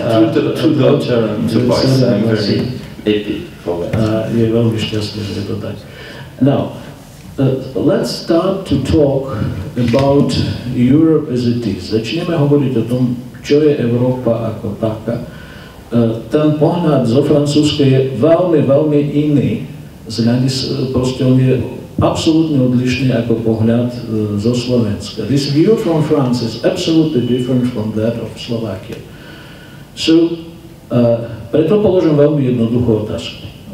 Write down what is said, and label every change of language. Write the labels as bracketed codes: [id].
[en] Two daughters and two boys. I'm very happy for that. [sk] Je veľmi šťastný, že je to tak. [en] Now, Let's start to talk about Europe as it is. [sk] Začneme hovoriť o tom, čo je Európa ako taká. Ten pohľad zo Francúzska je veľmi, veľmi iný. Proste on je absolútne odlišný ako pohľad zo Slovenska. [en] This view from France is absolutely different from that of Slovakia. [sk] So, preto položím veľmi jednoduchú otázku.